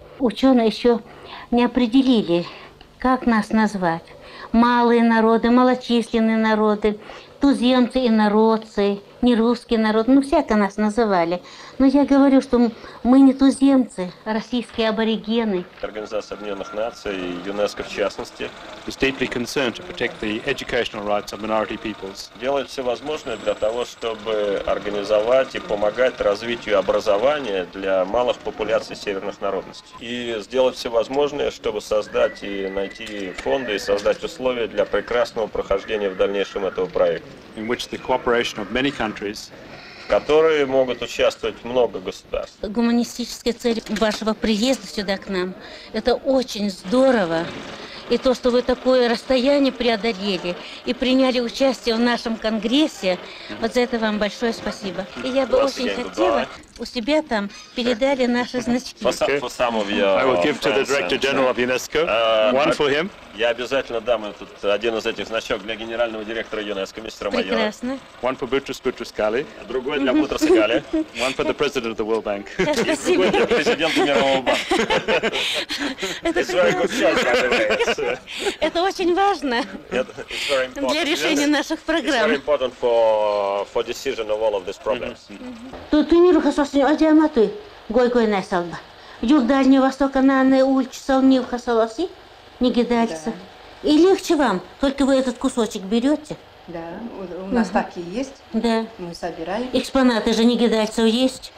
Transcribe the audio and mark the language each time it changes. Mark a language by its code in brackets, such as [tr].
[ru] Ученые еще не определили, как нас назвать. Малые народы, малочисленные народы. Туземцы и народцы, не русский народ, ну, всяко нас называли. Но я говорю, что мы не туземцы, а российские аборигены. Организация Объединенных Наций, ЮНЕСКО в частности, [en] is deeply concerned to protect the educational rights of minority peoples. [ru] Делает все возможное для того, чтобы организовать и помогать развитию образования для малых популяций северных народностей. И сделать все возможное, чтобы создать и найти фонды, и создать условия для прекрасного прохождения в дальнейшем этого проекта. [en] In which the cooperation of many countries, [ru] которые могут участвовать много государств. Гуманистическая цель вашего приезда сюда к нам, это очень здорово. И то, что вы такое расстояние преодолели и приняли участие в нашем конгрессе, вот за это вам большое спасибо. И я бы очень хотела, у себя там передали наши значки. [en] I will give to the Director General of UNESCO one for him. [ru] Я обязательно дам этот один из этих значок для генерального директора ЮНЕСКО, мистера майора. Прекрасно. [en] One for Boutros Boutros-Ghali. [ru] Другой для Boutros-Ghali. [en] One for the President of the World Bank. [ru] Спасибо. И другой для президента Мирового банка. Это прекрасно. Это очень важно для решения наших программ. [en] It's very important for decision of all of these problems. Тутыниру хасосни одиаматы гой-гой насалба. Юг Дальнего Востока на анне ульч салнив хасолоси. Не гидальца. Да. [ru] И легче вам, только вы этот кусочек берете. Да, у нас так и есть. Да. Мы собираем. Экспонаты же не гидальцев есть?